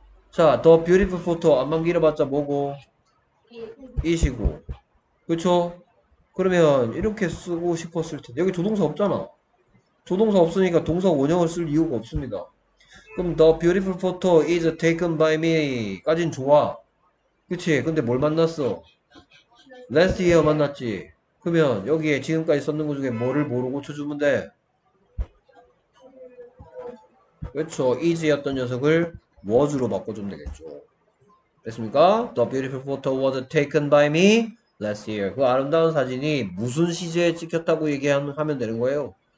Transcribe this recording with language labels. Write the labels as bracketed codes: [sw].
[ko] 자, [en] the beautiful photo [ko] 안만 길어봤자 뭐고? 이시고. 그쵸? 그러면 이렇게 쓰고 싶었을 텐데 여기 조동사 없잖아. 조동사 없으니까 동사 원형을 쓸 이유가 없습니다. [en] 그럼 the beautiful photo is taken by me [ko] 까진 좋아. 그치? 근데 뭘 만났어? [en] last year [ko] 만났지. 그러면 여기에 지금까지 썼는 것 중에 뭐를 뭐로 고쳐주면 돼? 그렇죠. is였던 녀석을 was로 바꿔주면 되겠죠. 됐습니까? [en] The beautiful photo was taken by me last year. [ko] 그 아름다운 사진이 무슨 시제에 찍혔다고 얘기하면 되는 거예요.